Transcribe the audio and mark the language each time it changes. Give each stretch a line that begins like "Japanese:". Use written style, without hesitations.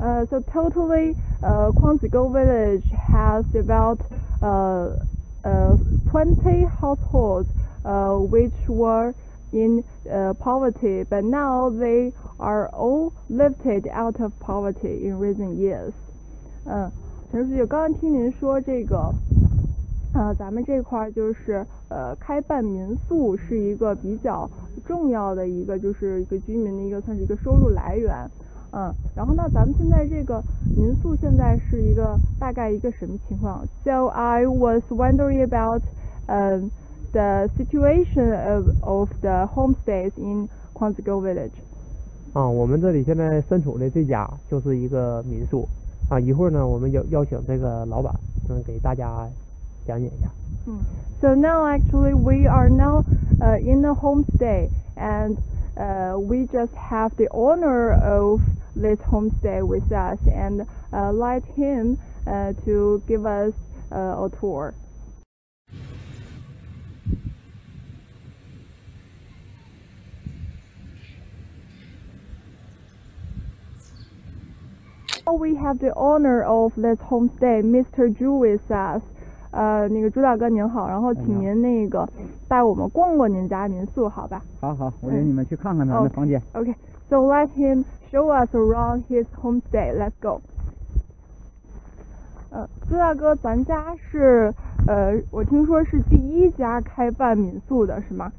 English: So totally, Qingyuan village has about 20 households which were in poverty, but now they are all lifted out of poverty in recent years.
Chinese: 陈书记，刚刚听您说这个，咱们这块就是开办民宿是一个比较重要的一个，就是一个居民的一个算是一个收入来源。然后呢，咱们现在这个民宿现在是一个大概一个什么情况
English: ？So I was wondering about the situation of the homestays in Qingyuan village.
Chinese: 我们这里现在身处的这家就是一个民宿啊。一会儿呢，我们邀请这个老板能给大家讲解一下。
English: So now actually we are now in the homestay and we just have the owner of this homestay with us and let him to give us a tour. So we have the owner of this homestay, Mr. Zhu with us.
Chinese: 那个朱大哥您好，然后请您那个带我们逛逛您家民宿，好吧？好，我领你们去看看咱的房间。
English: Okay, so let him show us around his homestay. Let's go.
Chinese: 朱大哥，咱家是我听说是第一家开办民宿的，是吗？